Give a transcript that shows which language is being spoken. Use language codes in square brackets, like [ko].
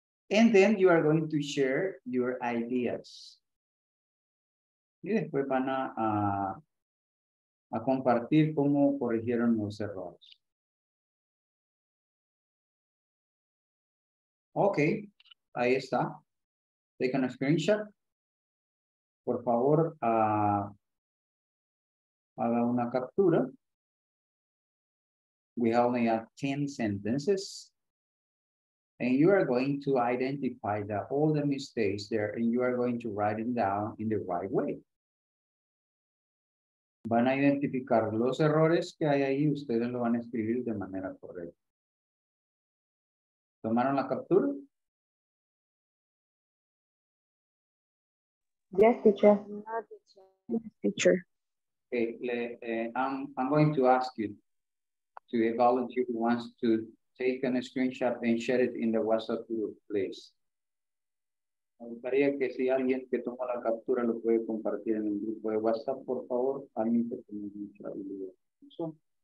[en] And then you are going to share your ideas. [es] Y después van a compartir cómo corrigieron los errores. [en] Okay, [es] ahí está. [en] Take a screenshot. [es] Por favor, haga una captura. [en] We only have 10 sentences. And you are going to identify that all the mistakes there, and you are going to write them down in the right way. [es] Van a identificar los errores que hay ahí, ustedes lo van a escribir de manera correcta. ¿Tomaron la captura? [en] Yes, teacher. No, teacher. Yes, teacher. Okay, I'm going to ask you to evaluate who wants to take a screenshot and share it in the WhatsApp group, please. [es] Me gustaría que si alguien que tomó la captura lo puede compartir en el grupo de WhatsApp, por favor. Alguien que tenga mucha habilidad.